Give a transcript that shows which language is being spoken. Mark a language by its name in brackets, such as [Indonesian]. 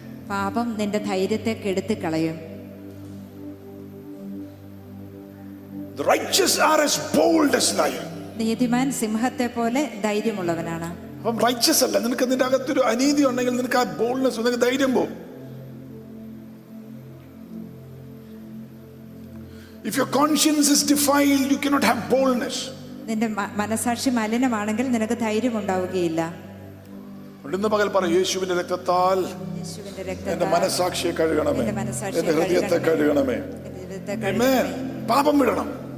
[Malayalam] പാപം നിന്റെ ധൈര്യത്തെ കെടുത്തി കളയും. [English] The righteous are as bold as lion. [Malayalam] നീതിമാൻ സിംഹത്തെ പോലെ ധൈര്യമുള്ളവനാണ്. അപ്പോൾ righteous അല്ല നിനക്ക് നിന്റെ അകത്ത് ഒരു അനീതി ഉണ്ടെങ്കിൽ നിനക്ക് ആ boldness ഉണ്ടെങ്കിൽ ധൈര്യം പോ. [English] If your conscience is defiled, you cannot have boldness. [Malayalam] നിന്റെ മനസാക്ഷി മലിനമാണെങ്കിൽ നിനക്ക് ധൈര്യം ഉണ്ടാവുകയില്ല. ഇന്ന് പകൽ പറ യേശുവിന്റെ രക്തത്താൽ എന്റെ മനസാക്ഷിയെ കഴുകണമേ. എന്റെ ഹൃദയത്തെ കഴുകണമേ. ആമേൻ. പാപം വിടണം.